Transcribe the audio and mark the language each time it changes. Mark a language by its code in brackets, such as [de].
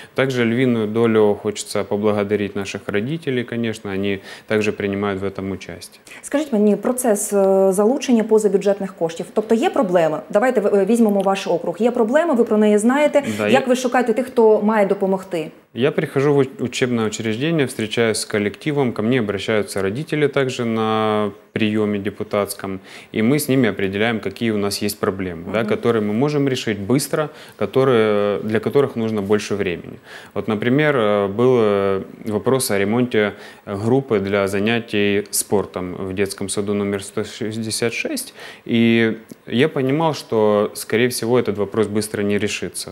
[ru] Также львиную долю хочется поблагодарить наших родителей, конечно, они также принимают в этом участие. Скажите мне, процесс [uk] залучения позабюджетных коштів, тобто є проблеми? Давайте візьмемо ваш округ. Є проблема, ви про неї знаєте. Да, як ви шукаєте тих, хто має допомогти? [ru] Я прихожу в учебное учреждение, встречаюсь с коллективом, ко мне обращаются родители также на приеме депутатском, и мы с ними определяем, какие у нас есть проблемы, да, которые мы можем решить быстро, для которых нужно больше времени. Вот, например, был вопрос о ремонте группы для занятий спортом в детском саду номер 166, и я понимал, что, скорее всего, этот вопрос быстро не решится.